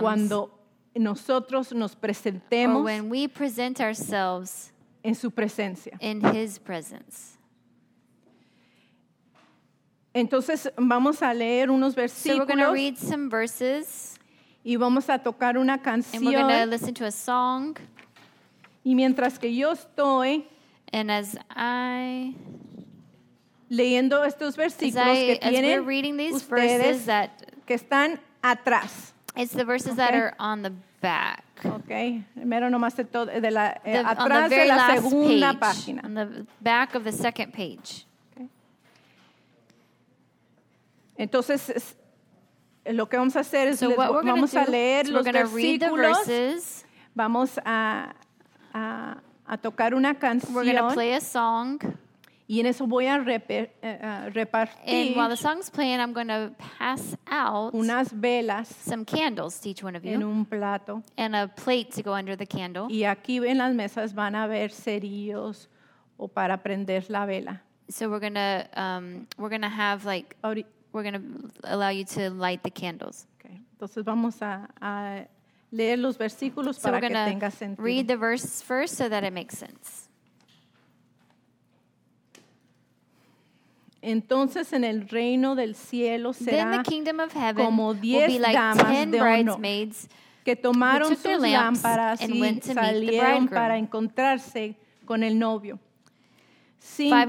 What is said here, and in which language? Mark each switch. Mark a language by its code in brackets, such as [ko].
[es] cuando nosotros nos presentemos, [en] or when we present ourselves. [es] En su presencia. [en] In his presence. [es] Entonces vamos a leer unos versículos. [en] So we're going to read some verses. [es] Y vamos a tocar una canción. [en] And we're going to listen to a song. [es] Y mientras que yo estoy [en] and as I [es] leyendo estos versículos [en] as I, [es] que tienen [en] as we're reading these verses that, [es] que están atrás. [en] It's the verses okay. that are on the back. Okay. [es] Primero nomás de la atrás de la segunda [en] page, [es] página. [en] On the back of the second page. [es] Entonces, lo que vamos a hacer es vamos a leer los versículos, vamos a tocar una canción. [en] We're going to play a song. [es] Y en eso voy a repartir. [en] And while the song's playing, I'm going to pass out [es] unas velas, [en] some candles to each one of you, [es] en un plato, [en] and a plate to go under the candle. [es] Y aquí en las mesas van a haber cerillos o para prender la vela. [en] So we're gonna have like. We're going to allow you to light the candles. Okay. [es] Entonces vamos a leer los versículos para que tenga sentido. [en] So read the verse first so that it makes sense. [es] Entonces en el reino del cielo será [en] then the kingdom of heaven [es] como 10 [en] will be like [es] damas [en] 10 [es] de [en] bridesmaids [es] que tomaron [en] who took their lamps [es] lámparas [en] and [es] y [en] went to [es] salieron [en] meet the bridegroom. [es] Para encontrarse con el novio. [en] Five